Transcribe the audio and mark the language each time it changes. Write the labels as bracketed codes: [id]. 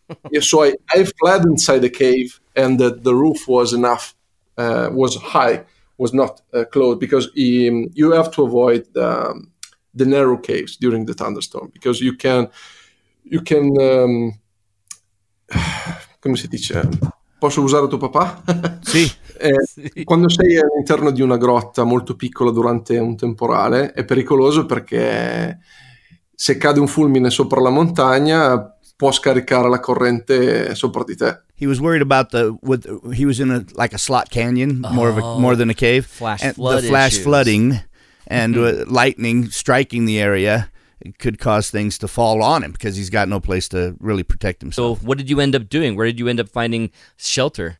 [en] Yeah, so I fled inside the cave, and the roof was enough, was high, was not closed, because you have to avoid the narrow caves during the thunderstorm, because you can come [it] si dice? Posso usare tuo papà? Sì. Quando sei all'interno di una grotta molto piccola durante un temporale, è pericoloso perché se cade un fulmine sopra la montagna può scaricare la corrente sopra di te. [en] He was worried about he was in a like a slot canyon, more than a cave. Flash flooding and lightning striking the area could cause things to fall on him because he's got no place to really protect himself. So what did you end up doing? Where did you end up finding shelter?